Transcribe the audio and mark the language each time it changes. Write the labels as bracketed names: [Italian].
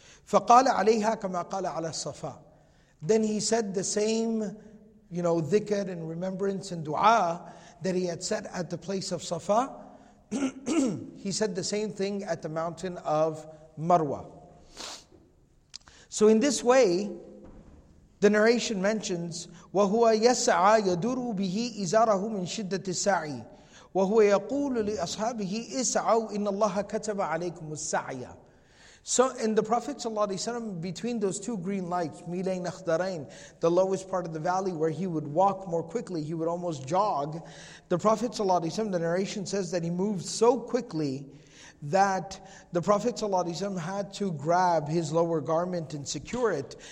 [Arabic] فَقَالَ عَلَيْهَا كَمَا قَالَ عَلَى الصَّفَا. [English] Then he said the same, you know, dhikr and remembrance and dua that he had said at the place of Safa. He said the same thing at the mountain of Marwa. So in this way, the narration mentions, [Arabic] وَهُوَ يَسْعَى يَدُرُّ بِهِ إِزَارَهُ مِنْ شِدَّةِ السَّعِي وَهُوَ يَقُولُ لِأَصْحَابِهِ إِسْعَوْا إِنَّ اللَّهَ كَتَبَ عَلَيْكُمُ السَّعِيَ. [English] So in the Prophet ﷺ, between those two green lights, [Arabic] مِلَيْنَ أَخْدَرَيْنَ, [English] the lowest part of the valley where he would walk more quickly, he would almost jog, the Prophet ﷺ, the narration says that he moved so quickly that the Prophet ﷺ had to grab his lower garment and secure it.